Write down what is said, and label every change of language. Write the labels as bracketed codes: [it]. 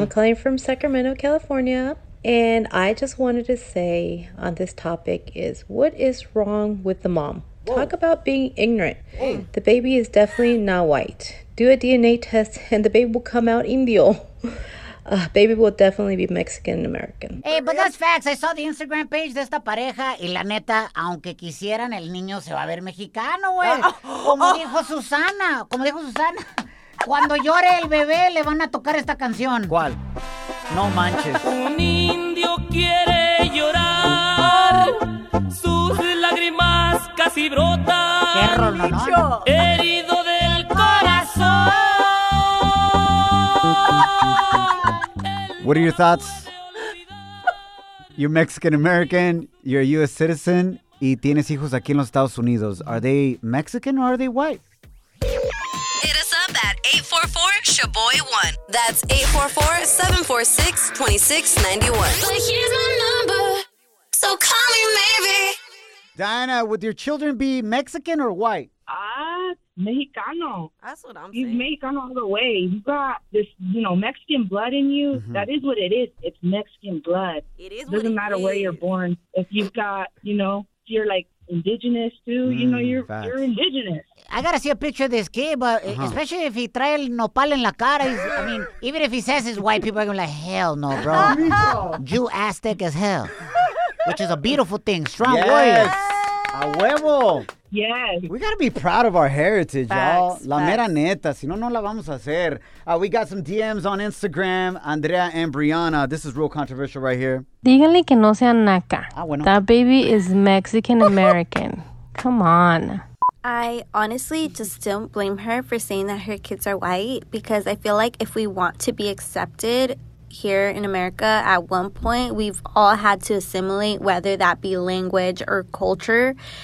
[en] I'm calling from Sacramento, California. And I just wanted to say on this topic is, what is wrong with the mom? Whoa. Talk about being ignorant. Hey. The baby is definitely not white. Do a DNA test and the baby will come out indio. Baby will definitely be Mexican American. Hey, but that's facts. I saw the Instagram page [es] de esta pareja y la neta, aunque quisieran, el niño se va a ver mexicano, güey. Como dijo Susana, cuando llore el bebé le van a tocar esta canción. ¿Cuál? No manches. Un indio quiere llorar. Sus lágrimas casi brotan. ¡Qué rollo, no! Herido del corazón. [en] What are your thoughts? You're Mexican-American, you're a U.S. citizen, [es] y tienes hijos aquí en los Estados Unidos. [en] Are they Mexican or are they white? Hit us up at 844-SHABOY1. That's 844-746-2691. But here's my number, so call me maybe. Diana, would your children be Mexican or white? [es] Mexicano. [en] That's what I'm He's saying. He's Mexican all the way. You got this, you know, Mexican blood in you. Mm-hmm. That is what it is. It's Mexican blood. It is. Doesn't what it matter is. Where you're born. If you've got, you know, if you're like indigenous too. Mm, you know, you're indigenous. I gotta see a picture of this kid, but especially if he [es] trae el nopal en la cara. [en] I mean, even if he says it's white, people are gonna be like, hell no, bro. Jew Aztec as hell, which is a beautiful thing. Strong yes. warrior. [es] A huevo. [en] Yes. We gotta be proud of our heritage, facts, y'all. Facts. [es] La mera neta, si no, no la vamos a hacer. [en] We got some DMs on Instagram. Andrea and Brianna, this is real controversial right here. [es] Díganle que no sea naca. Ah, bueno. [en] That baby is Mexican-American. Come on. I honestly just don't blame her for saying that her kids are white, because I feel like if we want to be accepted here in America, at one point, we've all had to assimilate, whether that be language or culture.